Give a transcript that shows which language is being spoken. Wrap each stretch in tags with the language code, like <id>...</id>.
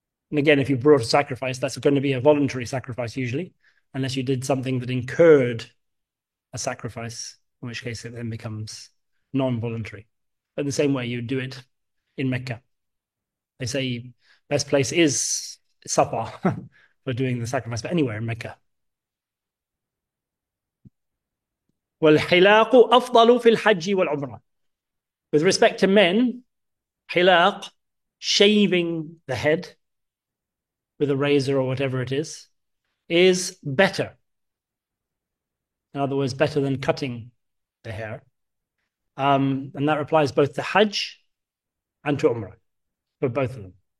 <en>And again, if you brought a sacrifice, that's going to be a voluntary sacrifice usually, unless you did something that incurred a sacrifice, in which case it then becomes non-voluntary. But in the same way, you do it in Mecca. They say best place is Safa for doing the sacrifice, but anywhere in Mecca.</en> <ar>والحلاق أفضل في الحج والعمرة.</ar> <en>With respect to men, حلاق, shaving the head with a razor or whatever it is better. In other words, better than cutting the hair. And that applies both to Hajj and to Umrah, for both of them.</en>